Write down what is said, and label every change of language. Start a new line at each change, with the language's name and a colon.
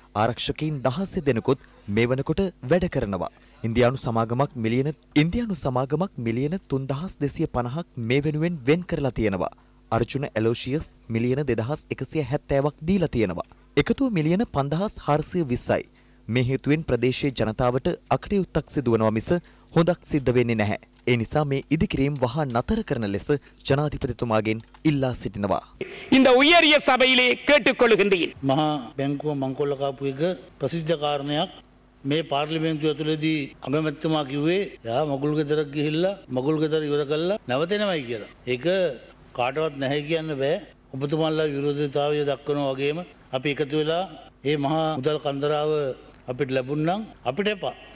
Sinhala: ආරක්ෂකයින් 16 දෙනෙකුත් මේවනකොට වැඩ කරනවා ඉන්දියානු සමාගමක් මිලියන 3250ක් මේවෙනුවෙන් වෙන් කරලා තියෙනවා අර්ජුන ඇලෝෂියස් මිලියන 2170ක් දීලා තියෙනවා එකතු මිලියන 5420යි මේ හේතුවෙන් ප්‍රදේශයේ ජනතාවට අකටයුත්තක් සිදුවනවා මිස හොඳක් සිද්ධ වෙන්නේ නැහැ ඒ නිසා මේ ඉදිකිරීම වහා නතර කරන ලෙස ජනාධිපතිතුමාගෙන් ඉල්ලා සිටිනවා.
Tamil: இந்த உயரிய சபையிலே கேட்டுக்கொள்கின்றேன்.
Sinhala: මහා බැංකුව මංකොල්ල කාපු එක ප්‍රසිද්ධ කාරණයක් මේ පාර්ලිමේන්තුව ඇතුළේදී අගමැතිතුමා කිව්වේ යා මගුල් ගෙදරක් ගිහිල්ලා මගුල් ගෙදර ඉවර කළා නැවතෙනවයි කියලා. ඒක කාටවත් නැහැ කියන්න බෑ. ඔබතුමාලා විරෝධතාවය දක්වනවා වගේම අපි එකතු වෙලා මේ මහා මුදල් කන්දරාව අපිට ලැබුණනම් අපිට එපා.